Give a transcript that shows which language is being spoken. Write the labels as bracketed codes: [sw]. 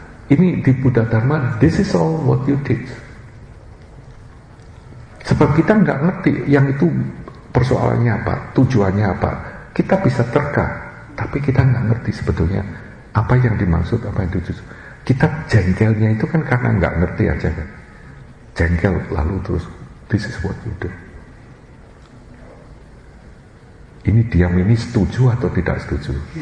[id] Ini di Buddha Dharma, [en] this is all what you teach. [id] Sebab kita nggak ngerti yang itu persoalannya apa, tujuannya apa. Kita bisa terka. Tapi kita nggak ngerti sebetulnya apa yang dimaksud, apa yang dituju. Kita jengkelnya itu kan karena nggak ngerti aja kan. Jengkel lalu terus, [en] this is what you do. [id] Ini diam ini setuju atau tidak setuju?